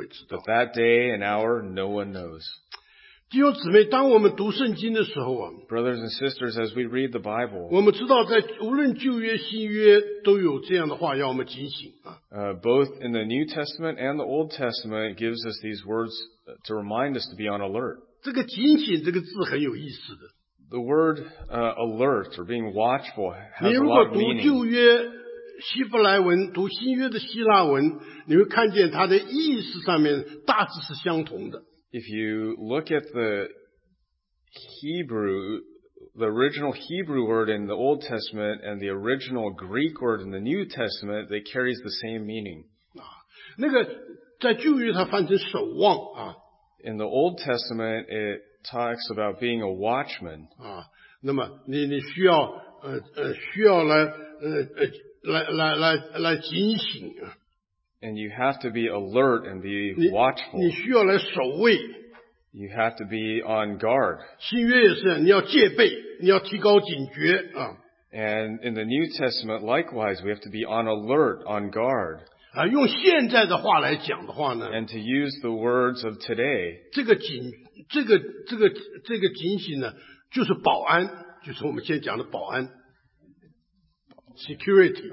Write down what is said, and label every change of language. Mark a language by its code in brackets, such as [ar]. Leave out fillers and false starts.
[en] But that day and hour, no one knows. [zh] 弟兄姊妹,当我们读圣经的时候, [en] brothers and sisters, as we read the Bible, [zh] 我们知道在无论旧约新约都有这样的话要我们警醒, [en] both in the New Testament and the Old Testament gives us these words to remind us to be on alert. [zh] 这个警醒这个字很有意思的, [en] the word alert or being watchful has a lot of meaning. [zh] 你如果读旧约希伯来文,读新约的希腊文, 你会看见它的意思上面大致是相同的。 [en] If you look at the Hebrew, the original Hebrew word in the Old Testament and the original Greek word in the New Testament, they carry the same meaning. [zh] 那个在旧约它翻成守望啊, [en] in the Old Testament, it talks about being a watchman. [zh] 啊, 那么你需要来警醒。 [en] And you have to be alert and be watchful. [zh] 你需要来守卫, [en] you have to be on guard. [zh] 新约也是, 你要戒备, 你要提高警觉, [en] and in the New Testament, likewise, we have to be on alert, on guard. [zh] 啊, 用现在的话来讲的话呢, [en] and to use the words of today, [zh] 这个警醒呢, 就是保安, 就是我们现在讲的保安, security.